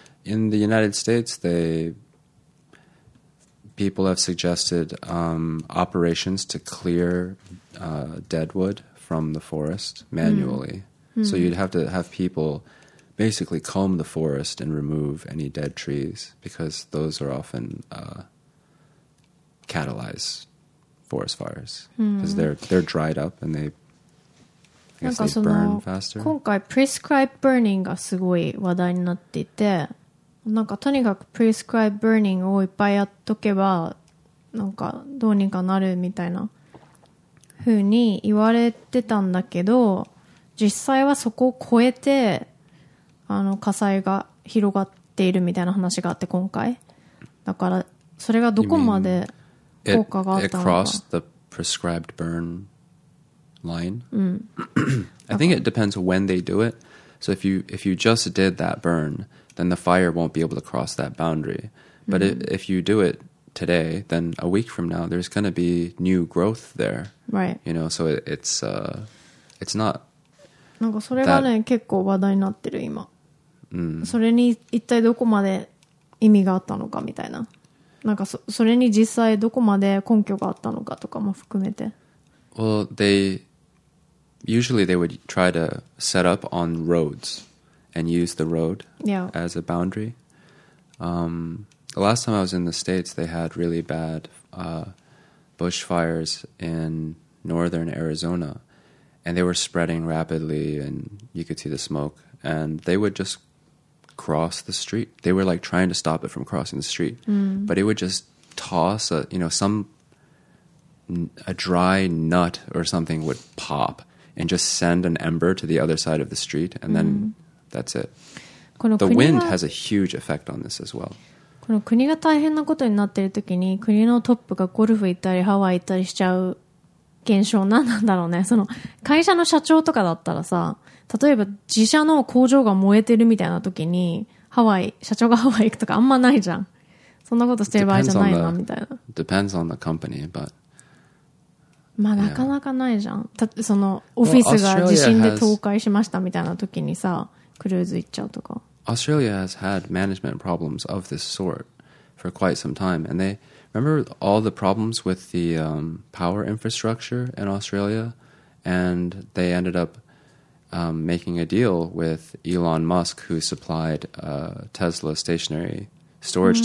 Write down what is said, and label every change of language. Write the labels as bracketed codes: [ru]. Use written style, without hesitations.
[en] In the United States, people have suggested operations to clear dead wood from the forest manually. Mm. So you'd have to have people basically comb the forest and remove any dead trees because those are often catalyze forest fires because they're dried up and they [ja] なんかその今回プリスクライブバーニングがすごい話題になっていて、なんかとにかくプリスクライブバーニングをいっぱいやっとけばなんかどうにかなるみたいな風に言われてたんだけど、実際はそこを超えてあの火災が広がっているみたいな話があって今回、だからそれがどこまで効果があったのか。 [en] It crossed the prescribed burn line、 [ja] うん、 [en] I think it depends when they do it. So if you just did that burn, then the fire won't be able to cross that boundary. But、うん、if you do itToday, then a week from now, there's going to be new growth there. Right. You know, so it's not. [ja] なんかそれがね、結構話題になってる今。うん。それに一体どこまで意味があったのかみたいな。なんかそれに実際どこまで根拠があったのかとかも含めて。 [en] Well, usually they would try to set up on roads and use the road、 yeah. as a boundary. The last time I was in the States, they had really bad、bushfires in northern Arizona, and they were spreading rapidly, and you could see the smoke, and they would just cross the street. They were like trying to stop it from crossing the street,、 mm. but it would just toss a dry nut or something would pop and just send an ember to the other side of the street, and then、mm. that's it. The wind has a huge effect on this as well. [ja] この国が大変なことになってる時に国のトップがゴルフ行ったりハワイ行ったりしちゃう現象なんなんだろうね。その会社の社長とかだったらさ、例えば自社の工場が燃えてるみたいな時にハワイ、社長がハワイ行くとかあんまないじゃん。そんなことしてる場合じゃないなみたいな。 [en] Depends on the company, but [ja] まあなかなかないじゃん。 [en] Yeah. [ja] そのオフィスが地震で倒壊しましたみたいな時にさ、クルーズ行っちゃうとか。 [en] Australia has had management problems of this sort for quite some time. And they remember all the problems with the、power infrastructure in Australia? And they ended up、making a deal with Elon Musk, who supplied、Tesla stationary storage、mm.